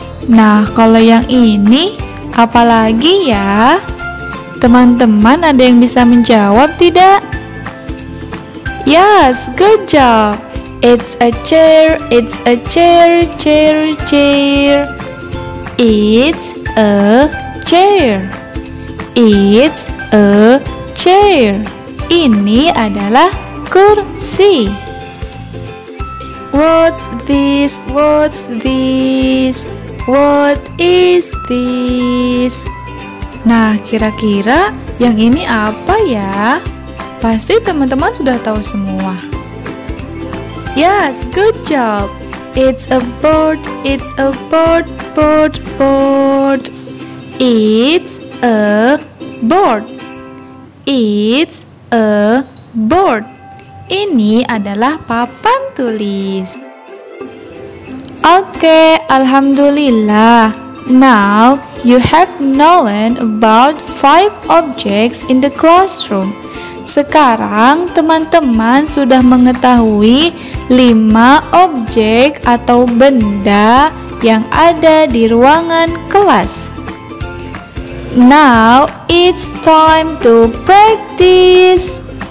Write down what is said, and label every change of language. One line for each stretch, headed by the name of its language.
Indonesian: Nah, kalau yang ini apalagi ya? Teman-teman ada yang bisa menjawab tidak?
English: Yes, good job. It's a chair, it's a chair, chair, chair. It's a chair. It's a chair.
Indonesian: Ini adalah kursi.
English: What's this? What's this? What is this?
Indonesian: Nah, kira-kira yang ini apa ya? Pasti teman-teman sudah tahu semua.
English: Yes, good job. It's a board, it's a board, board, board. It's a board. It's a board.
Indonesian: Ini adalah papan tulis. Okay, alhamdulillah.
English: Now you have known about 5 objects in the classroom.
Indonesian: Sekarang teman-teman sudah mengetahui 5 objek atau benda yang ada di ruangan kelas.
English: Now it's time to practice.